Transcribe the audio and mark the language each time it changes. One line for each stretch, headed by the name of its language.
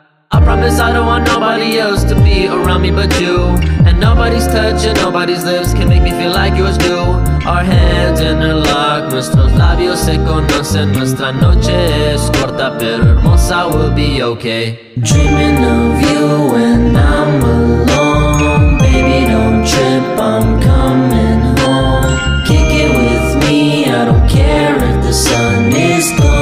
English: I promise I don't want nobody else to be around me but you. And nobody's touch and nobody's lips can make me feel like yours do. Our hands interlock,
Spanish: nuestros labios se conocen. Nuestra noche es corta pero hermosa,
English: we'll be okay. Dreaming of you when I'm alone. Baby don't trip, I'm coming home. Kick it with me, I don't care if the sun is